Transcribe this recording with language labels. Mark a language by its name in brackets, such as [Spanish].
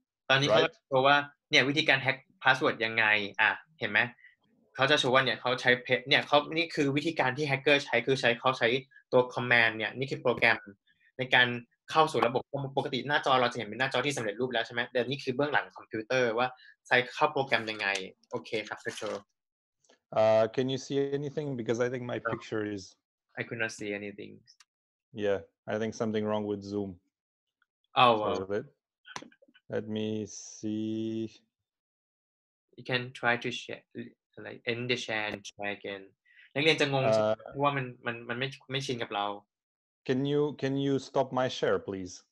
[Thai] ตอนนี้เขาจะโชว์ว่าเนี่ยวิธีการแฮกพาสเวิร์ดยังไงอ่ะเห็นไหมเขาจะโชว์ว่าเนี่ยเขาใช้เพจเนี่ยเขานี่คือวิธีการที่แฮกเกอร์ใช้คือเขาใช้ตัวคอมแมนด์เนี่ยนี่คือโปรแกรมในการเข้าสู่ระบบปกติหน้าจอเราจะเห็นเป็นหน้าจอที่สำเร็จรูปแล้วใช่ไหมแต่นี่คือเบื้องหลังคอมพิวเตอร์ว่าใช้เข้าโปรแกรมยังไงโอเคครับ Pedro [English] Can you see anything because I think my picture is I could not see anything Yeah, I think something wrong with Zoom. Oh, wow. Well. Let me see. You can try to share, like end the share and try again. [Thai] นักเรียนจะงงว่ามันไม่ชินกับเรา [English] Can you stop my share, please?